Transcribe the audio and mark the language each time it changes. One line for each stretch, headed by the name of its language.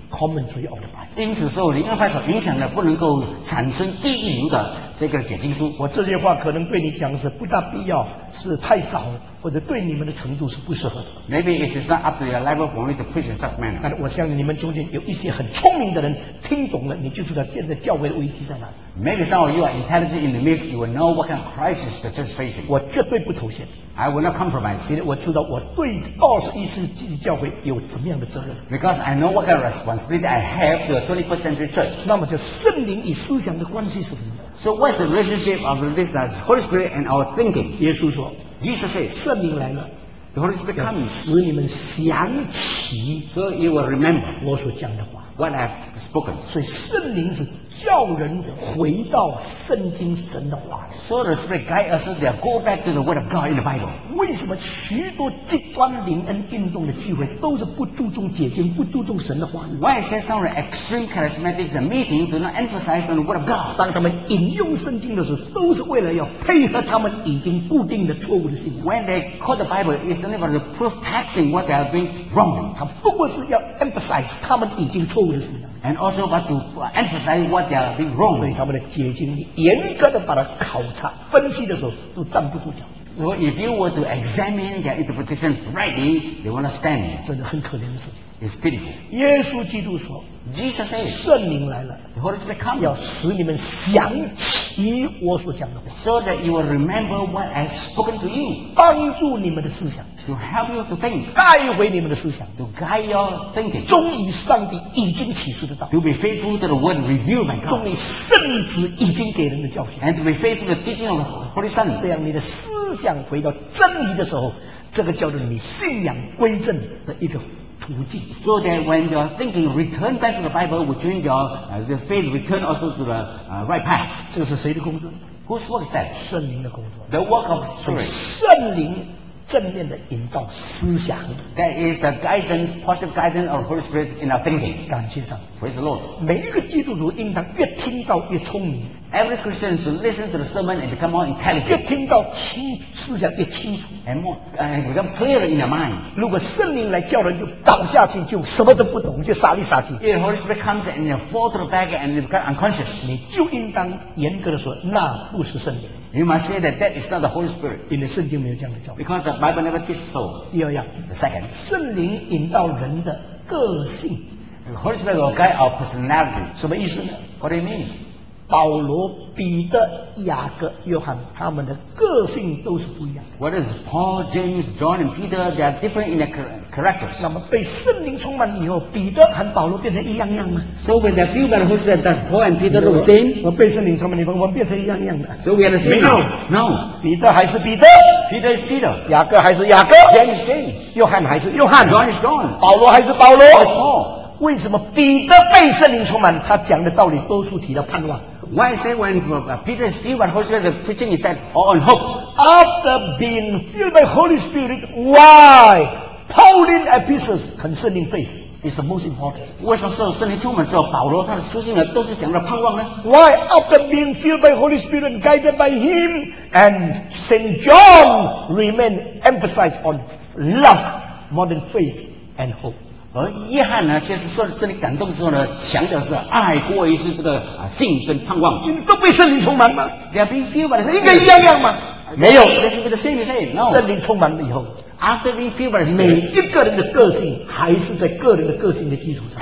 English: Commentary of the Bible.
Chinese: 因此说，灵恩派所影响的不能够产生第一流的这个解经书。我这些话可能对你讲是不大必要，是太早，或者对你们的程度是不适合的。
English: Maybe it is not up to your level for me to preach in such manner.
Chinese: 但我相信你们中间有一些很聪明的人听懂了，你就知道现在教会的危机在哪。
English: Maybe some of you are intelligent in the midst, you will know what kind of crisis the church is facing.
Chinese: 我绝对不妥协。
English: I will not compromise.
Chinese: 因为我知道我对
English: 21st century
Chinese: 教会有怎么样的责任。
English: Because I know what kind of responsibility I have to the 21st century church.
Chinese: 那么就圣灵与思想的关系是什么
English: ？So what's the relationship of this Holy Spirit and our thinking?
Chinese: 耶稣说
English: ，Jesus says,
Chinese: 圣灵来了。
English: The Holy Spirit comes.
Chinese: 使你们想起
English: ，So you will remember
Chinese: 我所讲的话。
English: What I've spoken.
Chinese: 所以圣灵是叫人回到圣经神的话。
English: So the Spirit guides us to go back to the Word of God in the Bible.
Chinese: 为什么许多极端灵恩运动的聚会都是不注重解经、不注重神的话
English: ？Why say some of the extreme charismatic meetings do not emphasize on the Word of God?
Chinese: 当他们引用圣经的时候，都是为了要配合他们已经固定的错误的信仰。
English: When they quote the Bible, it's only for the proof texting what they have been wrong.
Chinese: 他不过是要 emphasize 他们已经错误的信仰。
English: And also want to emphasize what they are being wrong.
Chinese: 所以他们的解经，严格的把它考察分析的时候，都站不住脚。
English: So if you were to examine their interpretation rightly, they will not stand.
Chinese: 这是很可怜的事情。
English: It's beautiful.
Chinese: 耶稣基督说
English: Jesus says,
Chinese: 圣灵来了
English: The Holy Spirit comes.
Chinese: 要使你们想起我所讲的话
English: So that you will remember what I've spoken to you.
Chinese: 帮助你们的思想
English: To help you to think.
Chinese: 带回你们的思想
English: To guide your thinking.
Chinese: 忠于上帝已经启示的道
English: To be faithful to the word revealed by God.
Chinese: 忠于圣子已经给人的教训
English: And to be faithful to the teaching of the Holy Son.
Chinese: 这样你的思想回到真理的时候这个叫做你信仰归正的一个途径
English: So that when your thinking return back to the Bible which means your the faith return also to the right path
Chinese: 这是谁的工作
English: Whose work is that?
Chinese: 圣灵的工作
English: The work of Spirit
Chinese: 圣灵正面的引导思想
English: That is the guidance, positive guidance of Holy Spirit in our thinking
Chinese: 感谢上帝
English: Praise the Lord
Chinese: 每一个基督徒应当越听到越聪明
English: Every Christian should listen to the sermon and become more intelligent
Chinese: 越听到清思想越清楚
English: And more, become clearer in your mind
Chinese: 如果圣灵来叫人就倒下去就什么都不懂就傻里傻气
English: If Holy Spirit comes and you fall to the back and you become unconscious
Chinese: 你就应当严格的说那不是圣灵
English: You must say that that is not the Holy Spirit.
Chinese: 因为圣经没有这样的教导。
English: Because the Bible never teaches so.
Chinese: 第二样。
English: The second.
Chinese: 圣灵引导人的个性。
English: The Holy Spirit will guide our personality.
Chinese: 什么意思呢
English: ？What do you mean?
Chinese: 保罗、彼得、雅各、约翰，他们的个性都是不一样。
English: What is Paul, James, John, and Peter? They are different in their characters.
Chinese: 那么被圣灵充满以后，彼得和保罗变成一样样吗
English: ？So when they are filled by the Holy Spirit, does Paul and Peter look the same?
Chinese: 我被圣灵充满以后，我们变成一样样的。
English: So we are the same. No.
Chinese: 彼得还是彼得。
English: Peter is Peter.
Chinese: 雅各还是雅各。
English: James is James.
Chinese: 约翰还是约翰。
English: John is John.
Chinese: 保罗还是保罗。
English: Paul is Paul.
Chinese: 为什么彼得被圣灵充满，他讲的道理多数提了盼望？
English: Why say when Peter is filled by the Holy Spirit, the preaching is that all on hope? After being filled by Holy Spirit, why? Pauline epistles concerning faith is the most important.
Chinese: 为什么受圣灵充满之后，保罗他的书信呢，都是讲的盼望呢？
English: Why after being filled by Holy Spirit, guided by Him, and Saint John remain emphasized on love, more than faith and hope?
Chinese: 而约翰呢，却是受圣灵感动之后呢，强调是爱过于是这个啊信跟盼望。你都被圣灵充满吗
English: ？They are being filled by the Spirit.
Chinese: 应该一样样吗？没有。
English: This is the same thing. No.
Chinese: 圣灵充满了以后
English: ，After being filled by the Spirit,
Chinese: 每一个人的个性还是在个人的个性的基础上。